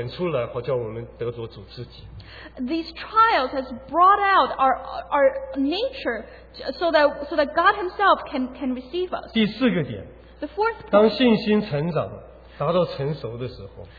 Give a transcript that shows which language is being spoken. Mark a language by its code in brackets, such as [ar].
[zh] 这个熬炼把我们里面真是本相都显出来，好叫我们得着主自己。 [en] These trials has brought out our nature so that God Himself can receive us. [zh] 第四个点, [en] the fourth point, [zh] 当信心成长, 达到成熟的时候,